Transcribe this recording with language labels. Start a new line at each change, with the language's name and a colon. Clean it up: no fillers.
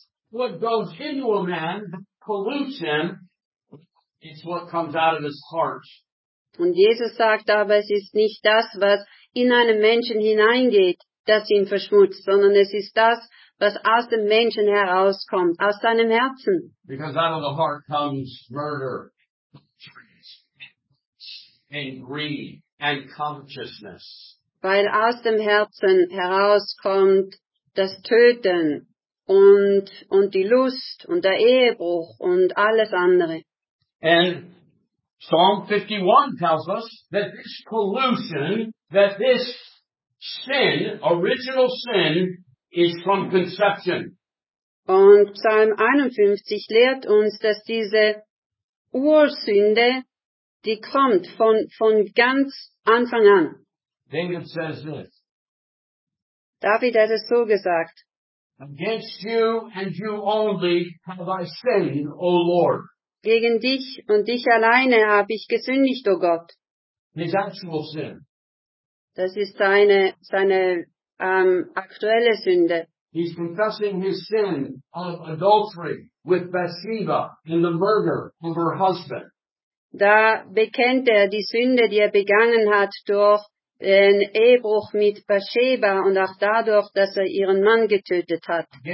English: What goes into a man pollutes him, it's what comes out of his heart.
German: Und Jesus sagt aber, es ist nicht das, was in einen Menschen hineingeht, das ihn verschmutzt, sondern es ist das, was aus dem Menschen herauskommt, aus seinem Herzen.
English: Because out of the heart comes murder. And greed and covetousness.
German: Weil aus dem Herzen herauskommt das Töten und die Lust und der Ehebruch und alles andere.
English: And Psalm 51 tells us that this pollution, that this sin, original sin, is from conception.
German: Und Psalm 51 lehrt uns, dass diese Ursünde, die kommt von ganz Anfang an.
English: David says this.
German: David hat es so gesagt.
English: Against you and you only have I sinned, O Lord.
German: Gegen dich und dich alleine habe ich gesündigt, O Gott.
English: His actual sin.
German: Das ist seine aktuelle Sünde.
English: He's confessing his sin of adultery with Bathsheba in the murder of her husband.
German: Da bekennt er die Sünde, die er begangen hat durch den Ehebruch mit Bathsheba und auch dadurch, dass er ihren Mann getötet hat.